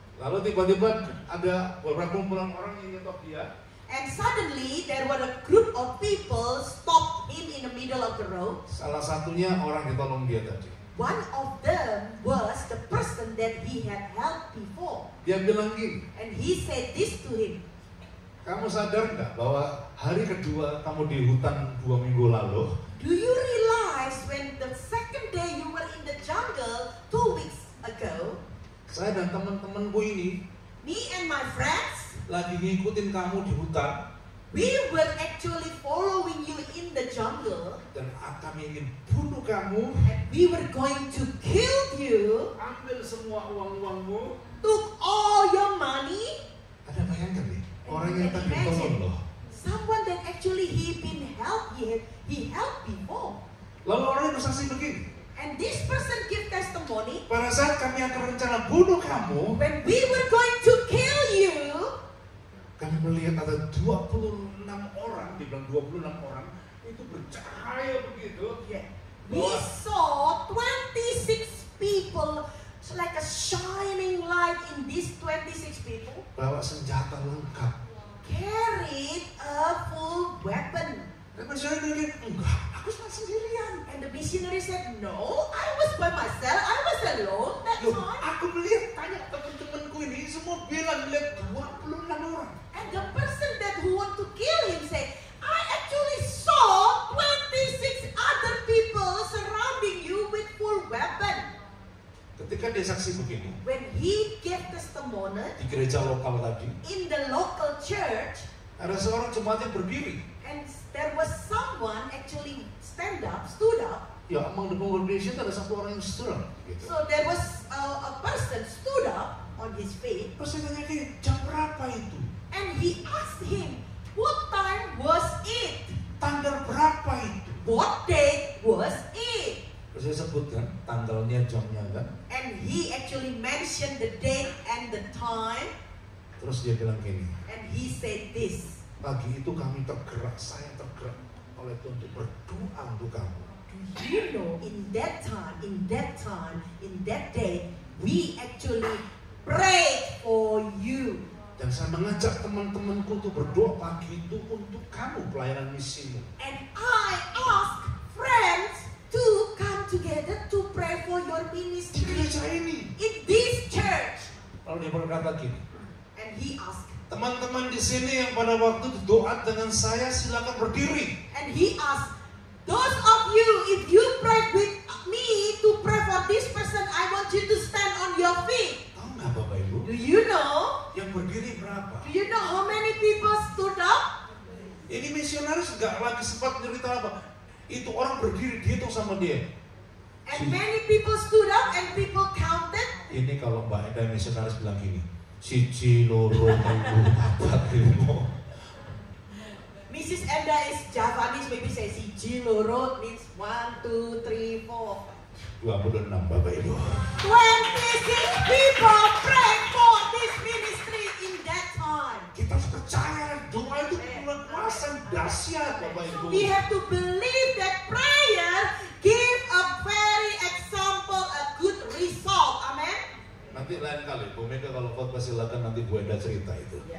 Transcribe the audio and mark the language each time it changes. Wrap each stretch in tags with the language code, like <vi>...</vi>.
<id>Lalu tiba-tiba ada beberapa kumpulan orang yang nyetop dia.</id> <en>And suddenly there were a group of people stopped him in the middle of the road.</en> <id>Salah satunya orang yang tolong dia tadi.</id> <en>One of them was the person that he had helped before.</en> <id>Dia bilang gini.</id> <en>And he said this to him.</en> <id>Kamu sadar nggak bahwa hari kedua kamu di hutan 2 minggu lalu?</id> <en>Do you realize when the second day you were in the jungle 2 weeks ago?</en> <id>Saya dan teman-temanku ini,</id> <en>me and my friends,</en> <id>lagi ngikutin kamu di hutan.</id> <en>We were actually following you in the jungle.</en> <id>Dan kami ingin bunuh kamu.</id> <en>And we were going to kill you.</en> <id>Ambil semua uang-uangmu.</id> <en>Took all your money.</en> <id>Ada bayangkan nih, orang yang tadi tolong loh.</id> <en>Someone that actually he been helped, he helped before.</en> <id>Lalu orang bersaksi begini.</id> <en>And this person give testimony.</en> <id>Pada saat kami akan rencana bunuh kamu.</id> <en>When we were going to kill you.</en> <id>Kami melihat ada 26 orang, dibilang 26 orang itu bercahaya begitu.</id> <en>Yeah. We saw 26 people, so like a shining light in these 26 people.</en> <id>Bawa senjata lengkap.</id> <en>Carried a full weapon. And the missionary said, no, I was by myself, I was alone that time.</en> <id>Aku melihat, tanya teman-temanku ini, semua bilang melihat 26 orang.</id> <en>And the person that who want to kill him said, I actually saw 26 other people surrounding you with full weapon.</en> <id>Ketika dia saksi begini,</id> <en>when he gave testimony,</en> <id>di gereja lokal tadi,</id> <en>in the local church,</en> <id>ada seorang jemaat yang berdiri.</id> <en>And there was someone actually stood up. Yeah, among the congregation</en> <id>ada satu orang yang</id> <en>stood up.</en> <id>Gitu.</id> <en>So there was a person stood up on his feet.</en> <id>Terus dia tanya, jam berapa itu?</id> <en>And he asked him, What time was it?</en> <id>Tanggal berapa itu?</id> <en>What day was it?</en> <id>Saya sebutkan tanggalnya, jamnya kan?</id> <en>And he actually mentioned the date and the time.</en> <id>Terus dia bilang gini.</id> <en>And he said this.</en> <id>Pagi itu kami tergerak, saya tergerak oleh Tuhan untuk berdoa untuk kamu.</id> <en>Do you know, in that day, we actually prayed for you.</en> <id>Dan saya mengajak teman-temanku untuk berdoa pagi itu untuk kamu, pelayanan misimu.</id> <en>And I ask friends to come together to pray for your ministry.</en> <id>Di gereja ini.</id> <en>In this church.</en> <id>Lalu dia berkata gini.</id> <en>And he ask.</en> <id>Teman-teman di sini yang pada waktu itu doa dengan saya, silakan berdiri.</id> <en>And he ask. Those of you, if you pray with me to pray for this person, I want you to stand on your feet.</en> <id>Tahu nggak Bapak Ibu?</id> <en>Do you know?</en> <id>Yang berdiri berapa?</id> <en>Do you know how many people stood up?</en> <id>Ini misionaris nggak lagi sempat cerita apa. Itu orang berdiri, dihitung sama dia.</id> <en>And many people stood up and people counted.</en> <id>Ini kalau Mbak Eda misionaris bilang gini.</id> <jv>Cici loro papat limo.</jv> <en>Mrs. Eda is Javanese, maybe say</en> <jv>cici loro</jv> <en>means 1, 2, 3, 4.</en> <id>26 Bapak Ibu.</id> <en>26 people pray for this ministry in that time.</en> <id>Kita harus percaya doa itu mengeluarkan dahsyat Bapak Ibu.</id> <en>So we have to believe that prayer give a very example, a good result. Amen.</en> <id>Nanti lain kali Bu Mega kalau khotbah silakan nanti Bu Eda cerita itu.</id>